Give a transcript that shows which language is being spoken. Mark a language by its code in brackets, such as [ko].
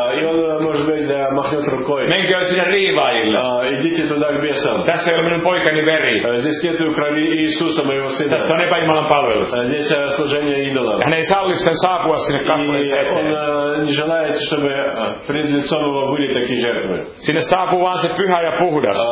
[ru] И он, может быть, махнет рукой. [fi] Menkää sinne riivaajille. [ru] Идите туда к бесам. [fi] Tässä ei ole minun poikani veri. [ru] Здесь нет крови Иисуса, моего сына. [fi] Tässä on epäjumalan palvelus. [ru] Здесь служение идолам. [fi] Hän ei salli sen saapua sinne kasvojensa eteen. [ru] И он не желает, чтобы пред лицом его были такие жертвы. [fi] Sinne saapuu vaan se pyhä ja puhdas.